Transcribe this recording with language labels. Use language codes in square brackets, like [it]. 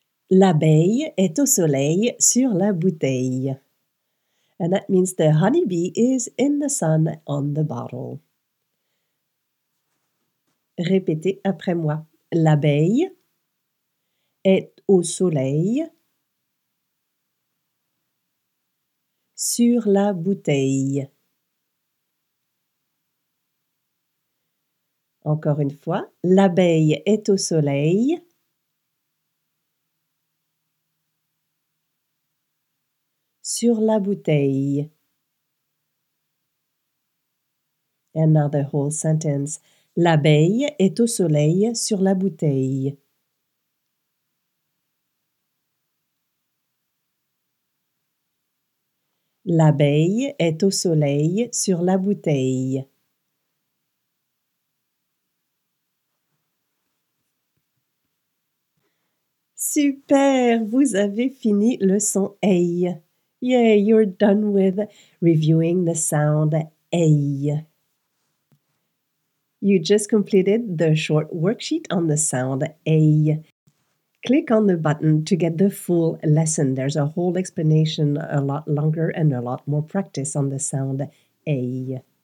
[fr] L'abeille est au soleil sur la bouteille. [en] And that means the honeybee is in the sun on the bottle. [fr] Répétez après moi. L'abeille est au soleil sur la bouteille. Encore une fois, l'abeille est au soleil sur la bouteille. [en] And now the whole sentence. [fr] L'abeille est au soleil sur la bouteille. L'abeille est au soleil sur la bouteille. Super, vous avez fini le son A. [en] Yay, you're done with reviewing the sound A. You just completed the short worksheet on the sound A. Click on the button to get the full lesson. There's a whole explanation, a lot longer and a lot more practice on the sound A.